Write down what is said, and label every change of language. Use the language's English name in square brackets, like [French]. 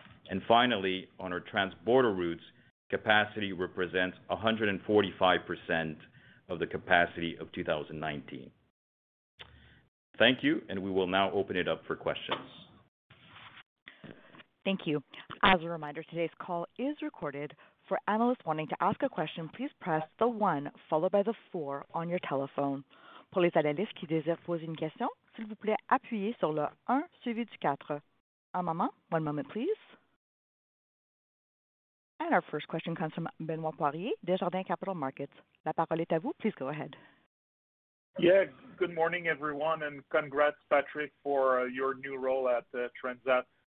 [English] And finally, on our transborder routes, capacity represents 145% of the capacity of 2019. Thank you, and we will now open it up for questions. Thank you. As a reminder, today's call is recorded. For analysts wanting to ask a question, please press the 1 followed by the 4 on your telephone. [French] Pour les analystes qui désirent poser une question, s'il vous plaît, appuyez sur le 1 suivi du 4. Un moment, [English] one moment, please. And our first question comes from Benoit Poirier, Desjardins Capital Markets. [French] La parole est à vous. [English] Please go ahead. Yeah, good morning, everyone, and congrats, Patrick, for your new role at Transat.